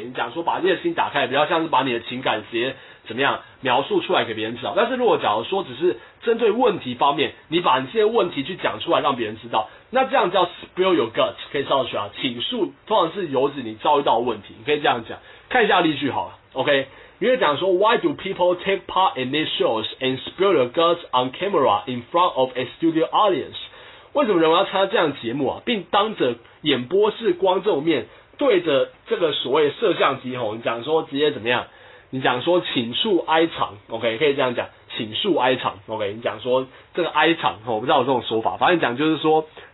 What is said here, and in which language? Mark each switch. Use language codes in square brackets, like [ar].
[zh] 你讲说把你的心打开，比较像是把你的情感直接怎么样描述出来给别人知道。但是如果假如说只是针对问题方面，你把你这些问题去讲出来让别人知道，那这样叫 spill your guts， 可以上去啊。倾诉通常是由着你遭遇到的问题，你可以这样讲。看一下例句好了 ，OK。因为讲说 [en] ，Why do people take part in these shows and spill their guts on camera in front of a studio audience？ [zh] 为什么人要参加这样的节目啊，并当着演播室观众面对着这个所谓摄像机吼，你讲说直接怎么样？你讲说倾诉哀场 ，OK， 可以这样讲，倾诉哀场 ，OK， 你讲说这个哀场，我不知道有这种说法，反正讲就是说。